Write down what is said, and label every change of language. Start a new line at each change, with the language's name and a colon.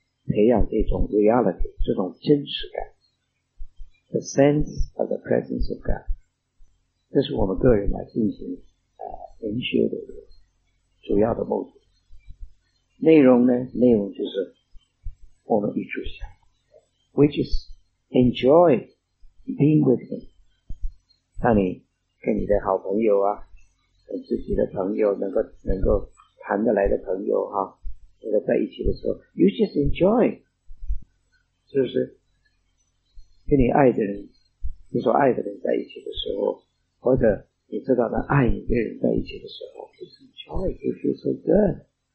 Chinese: 培养这种
English: reality，
Chinese: 这种真实感，
English: the sense of the presence of God，
Chinese: 这是我们个人来进行灵修的主要的目的。内容呢，内容就是我们与主相，
English: we just enjoy being with him.
Chinese: 让你跟你的好朋友啊，跟自己的朋友能够谈得来的朋友啊，这个在一起的时候 ，
English: you just enjoy，
Chinese: 是不是？跟你爱的人，你所爱的人在一起的时候，或者你知道的爱你的人在一起的时候 ，
English: just enjoy， you feel so good。